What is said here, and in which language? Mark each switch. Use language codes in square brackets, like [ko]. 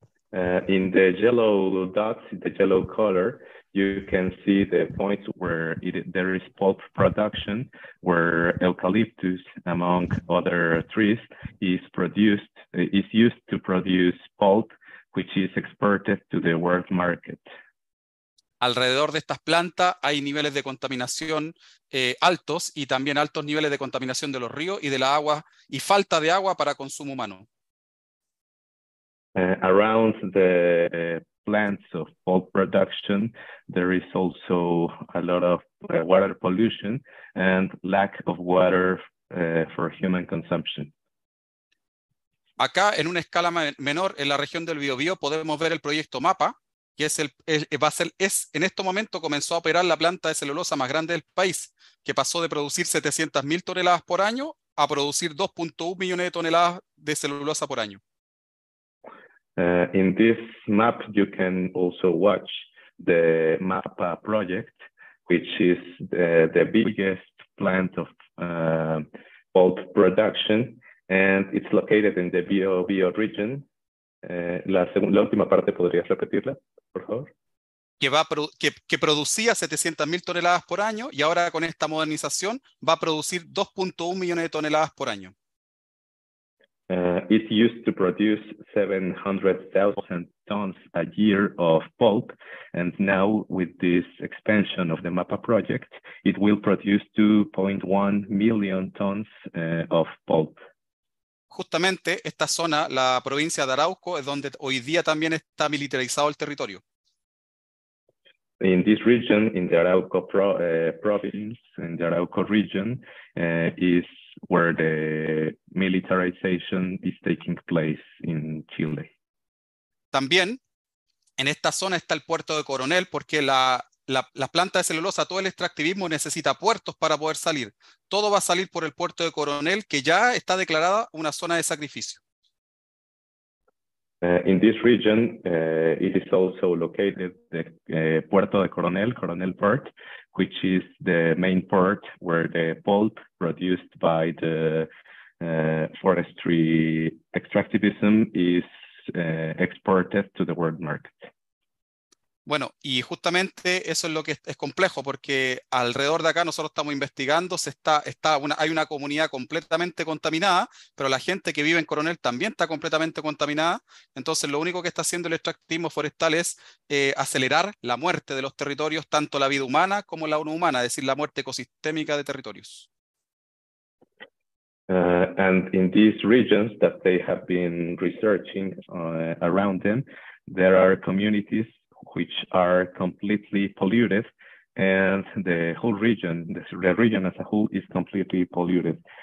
[en] In the yellow dots, the yellow color, you can see the points where there is pulp production, where eucalyptus, among other trees, is used to produce pulp, which is exported to the world market. [es] Alrededor de estas plantas hay niveles de contaminación altos y también altos niveles de contaminación de los ríos y de la agua y falta de agua para consumo humano. [en] Around the plants of pulp production, there is also a lot of water pollution and lack of water for human consumption. [es] Acá, en una escala menor, en la región del Biobío, podemos ver el proyecto MAPA, que en este momento comenzó a operar la planta de celulosa más grande del país, que pasó de producir 700.000 toneladas por año a producir 2.1 millones de toneladas de celulosa por año. [en] In this map, you can also watch the MAPA project, which is the biggest plant of pulp production, and it's located in the Biobío region. [es] La última parte, ¿podrías repetirla, por favor? Que producía 700.000 toneladas por año y ahora con esta modernización va a producir 2.1 millones de toneladas por año. [en] It used to produce 700,000 tons a year of pulp, and now with this expansion of the MAPA project, it will produce 2.1 million tons of pulp. [es] Justamente esta zona, la provincia de Arauco, es donde hoy día también está militarizado el territorio. [en] In this region, in the Arauco province, in the Arauco region, is where the militarization is taking place in Chile. [es] También en esta zona está el puerto de Coronel, porque la planta de celulosa, todo el extractivismo necesita puertos para poder salir. Todo va a salir por el puerto de Coronel, que ya está declarada una zona de sacrificio. [en] In this region, it is also located the Puerto de Coronel, Coronel Port, which is the main port where the pulp produced by the forestry extractivism is exported to the world market. [es] Bueno, y justamente eso es lo que es complejo, porque alrededor de acá nosotros estamos investigando, hay una comunidad completamente contaminada, pero la gente que vive en Coronel también está completamente contaminada. Entonces lo único que está haciendo el extractivismo forestal es acelerar la muerte de los territorios, tanto la vida humana como la no humana, es decir, la muerte ecosistémica de territorios. [en] And in these regions that they have been researching around them, there are communities which are completely polluted, and the whole region, the region as a whole, is completely polluted.